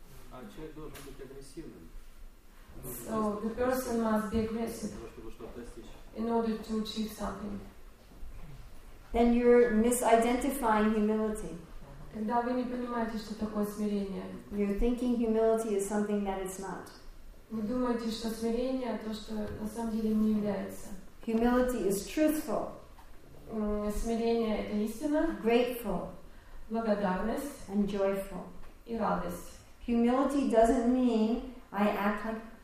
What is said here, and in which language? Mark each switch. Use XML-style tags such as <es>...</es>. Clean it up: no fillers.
<ru>А человек должен быть агрессивным.</ru> <en>So the person must be aggressive.</en> <ru>Для того, чтобы что-то достичь.</ru> <en>In order to achieve something. Then you're misidentifying humility.</en> <ru>Когда вы не понимаете, что такое смирение.</ru> <en>You're thinking humility is something that it's not.</en> <ru>Вы думаете, что смирение то, что на самом деле не является.</ru> <en>Humility is truthful.</en> <ru>Смирение — это истина.</ru> <en>Grateful.</en> <ru>Благодарность.</ru> <en>And joyful.</en> <ru>И радость.</ru> <en>Humility doesn't mean I act like.</en>